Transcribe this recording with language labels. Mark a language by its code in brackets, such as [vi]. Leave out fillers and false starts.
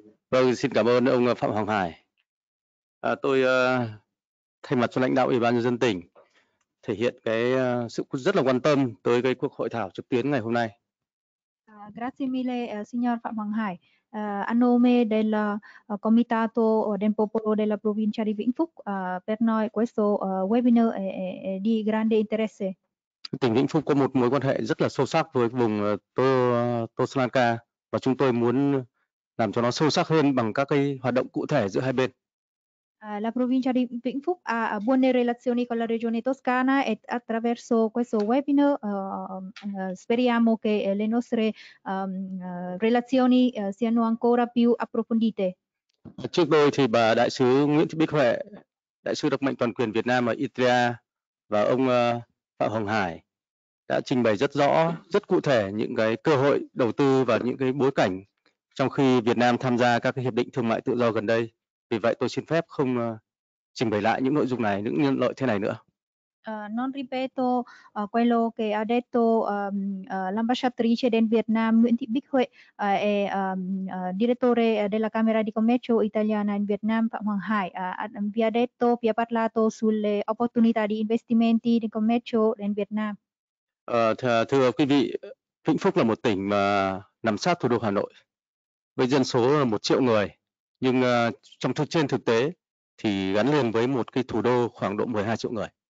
[vi] Vâng, xin cảm ơn ông Phạm Hoàng Hải. Tôi thay mặt cho lãnh đạo Ủy ban nhân dân tỉnh thể hiện cái sự rất là quan tâm tới cái cuộc hội thảo trực tuyến ngày hôm nay. [it] Grazie mille signor Phạm Hoàng Hải. A nome del Comitato del Popolo della Provincia di Vĩnh Phúc, per noi questo webinar è di grande interesse. [vi] Tỉnh Vĩnh Phúc có một mối quan hệ rất là sâu sắc với vùng Sri Lanka và chúng tôi muốn làm cho nó sâu sắc hơn bằng các cái hoạt động cụ thể giữa hai bên. [it] La provincia di Vĩnh Phúc ha buone relazioni con la regione Toscana e attraverso questo webinar speriamo che le nostre relazioni siano ancora più approfondite. [vi] Trước đây thì bà đại sứ Nguyễn Thị Bích Huệ, đại sứ đặc mệnh toàn quyền Việt Nam ở Italia và ông Phạm Hồng Hải đã trình bày rất rõ, rất cụ thể những cái cơ hội đầu tư và những cái bối cảnh trong khi Việt Nam tham gia các cái hiệp định thương mại tự do gần đây. Vì vậy tôi xin phép không trình bày lại những nội dung này, những lợi thế này nữa. [it] Non ripeto quello che ha detto l'ambasciatrice del Vietnam Nguyễn Thị Bích Huệ e direttore della Camera di Commercio Italiana in Vietnam Phạm Hoàng Hải. Vi ha detto, vi ha parlato sulle opportunità di investimenti di commercio in Vietnam. [vi] Thưa quý vị, Vĩnh Phúc là một tỉnh mà nằm sát thủ đô Hà Nội với dân số là 1 triệu người, nhưng trên thực tế thì gắn liền với một cái thủ đô khoảng độ 12 triệu người.